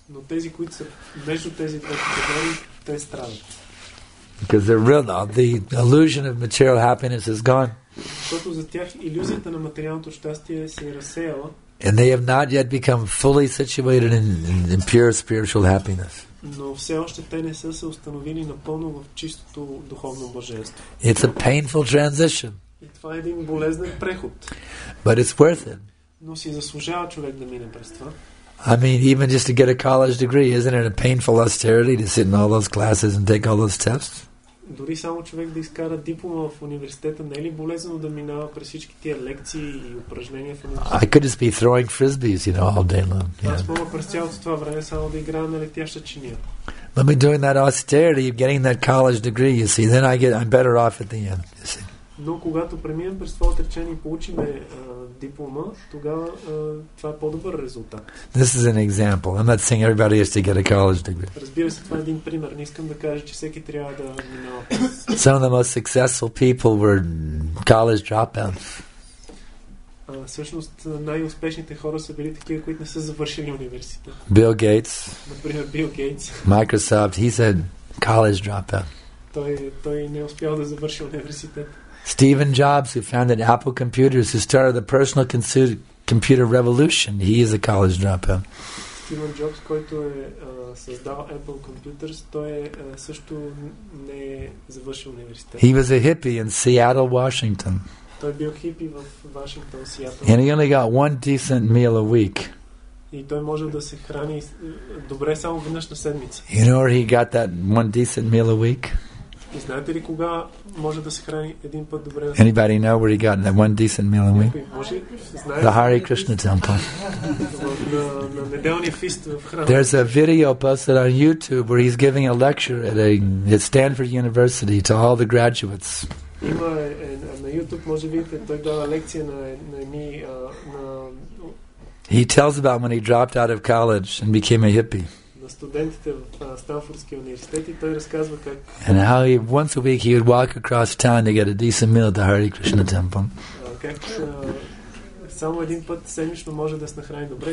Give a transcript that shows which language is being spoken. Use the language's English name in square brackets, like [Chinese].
[Bulgarian] Но тези, които са между тези две категории, те страдат. [English] Because they're real now. The illusion of material happiness is gone. [Bulgarian] Защото за тях илюзията на материалното щастие се е разсеяла. [English] And they have not yet become fully situated in pure spiritual happiness. [Bulgarian] Но все още те не са се установили напълно в чистото духовно блаженство. [English] It's a painful transition. [Bulgarian] И това е един болезнен преход. [English] But it's worth it. [Bulgarian] Но си заслужава човек да мине през това. [English] I mean, even just to get a college degree, isn't it a painful austerity to sit in all those classes and take all those tests? [Bulgarian] Дори само човек да изкара диплома в университета, не е ли болезнено да минава през всички тия лекции и упражнения в университета? [English] I could just be throwing frisbees, you know, all day long. [Bulgarian] Аз мога през цялото това време само да играя на летяща чиния. [English] But me doing that austerity, getting that college degree, you see, then I'm better off at the end, you see. [Bulgarian] Но когато преминем през това отречение и получиме диплома, тогава това е по-добър резултат. [English] This is an example. I'm not saying everybody has to get a college degree. [Bulgarian] Разбира се, това е един пример. Не искам да кажа, че всеки трябва да минава. [English] Some of the most successful people were college dropouts. [Bulgarian] Всъщност най-успешните хора са били такива, които не са завършили университет. [English] Bill Gates. [Bulgarian] Например, Bill Gates. [English] Microsoft, he said college dropout. [Bulgarian] Той не успял да завърши университет. [English] Steven Jobs, who founded Apple Computers, who started the personal computer revolution, he is a college dropout. [Bulgarian] Steven Jobs, който е създал Apple Computers, той също не е завършил университет. [English] He was a hippie in Seattle, Washington. [Bulgarian] Той бил хипи в Вашингтон, Сиатъл. [English] And he only got one decent meal a week. [Bulgarian] И той може да се храни добре само веднъж на седмица. [English] You know where he got that one decent meal a week? [Bulgarian] И знаете ли кога може да се храни един път добре? [English] Anybody know where he got that one decent meal a week? The Hare Krishna temple. [Bulgarian] На неделния фист в храма. [English] There's a video posted on YouTube where he's giving a lecture at Stanford University to all the graduates. [Bulgarian] Има на YouTube, може да видите, той дава лекция на ми на. [English] He tells about when he dropped out of college and became a hippie. [Bulgarian] Студентите в Станфордския университет и той разказва как. [English] And how he once a week he would walk across town to get a decent meal at the Hare Krishna temple. [Bulgarian] Как само един път седмично може да се нахрани добре.